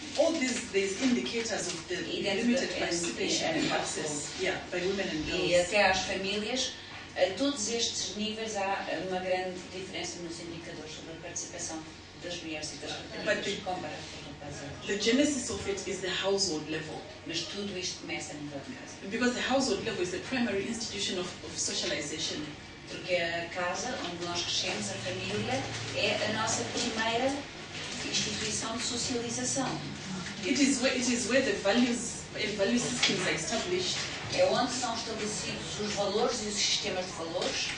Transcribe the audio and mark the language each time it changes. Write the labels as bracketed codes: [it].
[en] All these indicators of the limited participation and access by women and girls. [pt] E até às famílias, a todos estes níveis há uma grande diferença nos indicadores sobre a participação das mulheres e das famílias comparado com os rapazes. [en] The genesis of it is the household level. [pt] Mas tudo isto começa no nível de casa. [en] Because the household level is the primary institution of socialization. [pt] Porque a casa onde nós crescemos, a família, é a nossa primeira instituição de socialização. [en] It is where the value systems are established. [pt] É onde são estabelecidos os valores e os sistemas de valores.